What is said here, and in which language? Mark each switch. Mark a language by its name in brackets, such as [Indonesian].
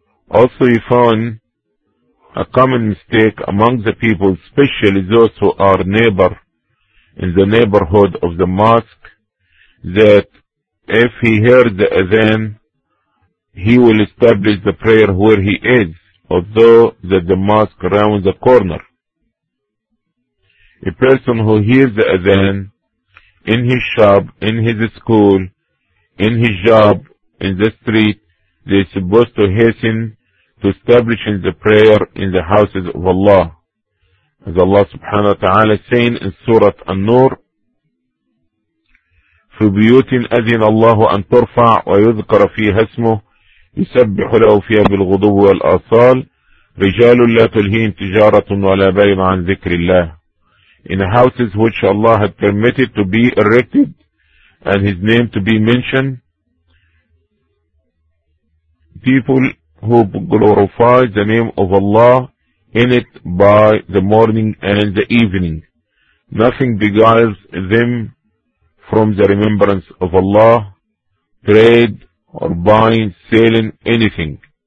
[English] Also, you found a common mistake among the people, especially those who are neighbor in the neighborhood of the mosque, that if he heard the adhan, he will establish the prayer where he is, although that the mosque around the corner. A person who hears the adhan in his shop, in his school, in his job, in the street, they are supposed to hasten to establish the prayer in the houses of Allah. As Allah subhanahu wa ta'ala saying in Surah An-Nur, [Arabic] في بيوت أذن الله أن ترفع ويذكر فيها اسمه يسبح له فيها بالغضب والآصال رجال لا تلهين تجارة ولا بيع عن ذكر الله. [English] In houses which Allah had permitted to be erected and His name to be mentioned, people who glorify the name of Allah in it by the morning and the evening, nothing beguiles them from the remembrance of Allah, trade or buying, selling, anything.